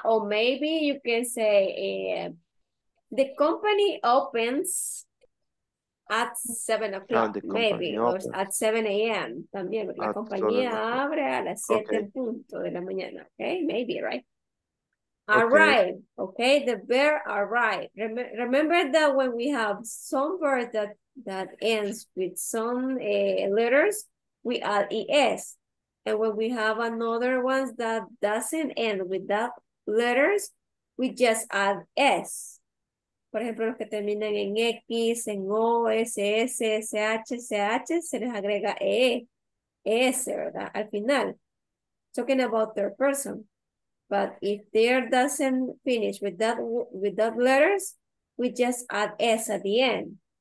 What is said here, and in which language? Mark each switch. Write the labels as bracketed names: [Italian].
[English] Or maybe you can say the company opens at 7 o'clock, maybe, opens. Or at 7 a.m. [Spanish] También, la compañía abre a las 7 en punto de la mañana. [English] Okay, maybe, right? Arrive, okay, the verb arrive. Remember that when we have some verb that ends with some letters, we add ES. And when we have another one that doesn't end with that letters, we just add S. [Spanish] Por ejemplo, los que terminan en X, en O, SS, SH, CH, se les agrega E, S, ¿verdad? Al final. [English] Talking about third person. But if there doesn't finish with that letters, we just add S at the end.